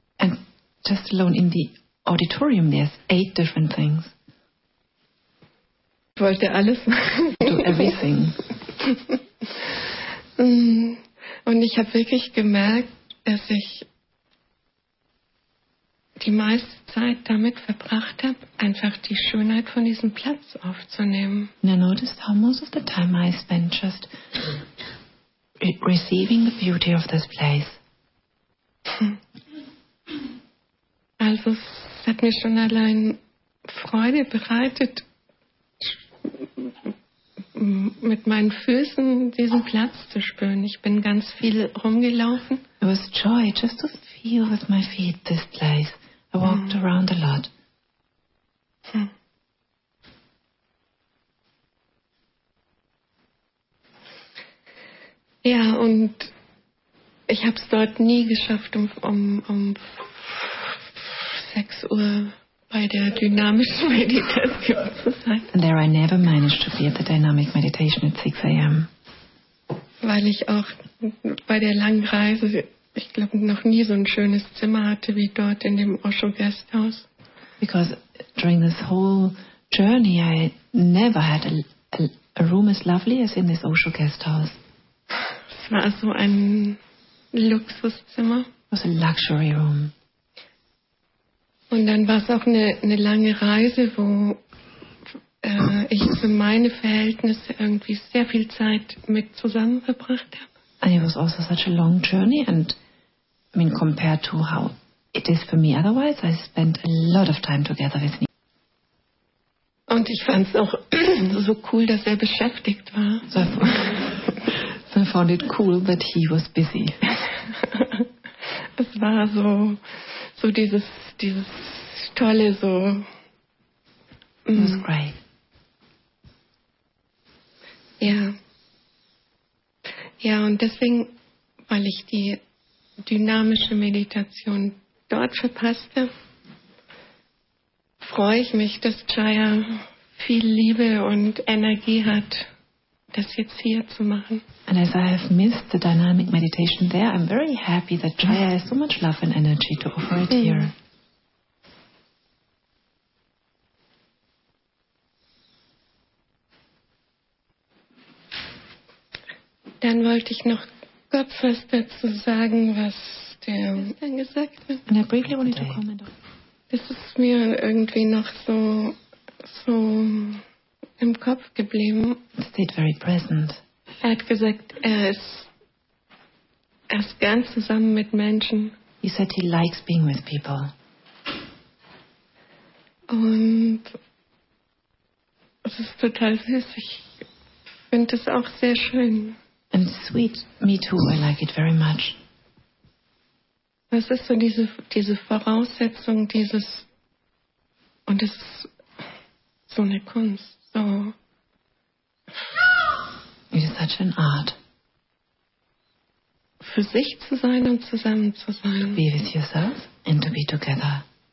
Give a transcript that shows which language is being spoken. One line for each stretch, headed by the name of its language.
English: And just alone in the Auditorium, there's 8 different things.
German: Ich wollte alles machen.
English: Do everything.
German: Und ich habe wirklich gemerkt, dass ich die meiste Zeit damit verbracht habe, einfach die Schönheit von diesem Platz aufzunehmen.
English: And I noticed how most of the time I spent just receiving the beauty of this place.
German: Also es hat mir schon allein Freude bereitet, mit meinen Füßen diesen Platz zu spüren. Ich bin ganz viel rumgelaufen.
English: It was joy just to feel with my feet this place. I walked around a lot.
German: Ja, und ich habe es dort nie geschafft, um 6 Uhr bei der dynamischen Meditation zu sein.
English: And there I never managed to be at the dynamic meditation at 6 a.m.
German: Weil ich auch bei der langen Reise, ich glaube, noch nie so ein schönes Zimmer hatte wie dort in dem Osho Guesthaus.
English: Because during this whole journey I never had a room as lovely as in this Osho Guesthaus.
German: Es war so ein Luxuszimmer.
English: It was a luxury room.
German: Und dann war es auch eine lange Reise, wo ich für meine Verhältnisse irgendwie sehr viel Zeit mit zusammen verbracht habe.
English: And it was also such a long journey, and I mean compared to how it is for me otherwise, I spent a lot of time together with him.
German: Und ich fand es auch so cool, dass er beschäftigt war.
English: So I found it cool that he was busy.
German: Es war so dieses tolle so.
English: It was great.
German: Ja. Ja, und deswegen, weil ich die dynamische Meditation dort verpasste, freue ich mich, dass Jaya viel Liebe und Energie hat, das jetzt hier zu machen.
English: And as I have missed the dynamic meditation there, I'm very happy that Jaya has so much love and energy to offer it here.
German: Dann wollte ich noch kurz was dazu sagen, was der dann gesagt hat.
English: And I briefly wanted to comment on.
German: Das ist mir irgendwie noch so im Kopf geblieben.
English: It stayed very present.
German: Er hat gesagt, er ist gern zusammen mit Menschen.
English: He said he likes being with people.
German: Und es ist total süß. finde es auch sehr schön.
English: And sweet, me too, I like it very much.
German: Was ist so diese Voraussetzung, dieses, und es ist so eine Kunst, so.
English: It is such an art.
German: Für sich zu sein und zusammen zu sein.
English: To be with yourself and to be together.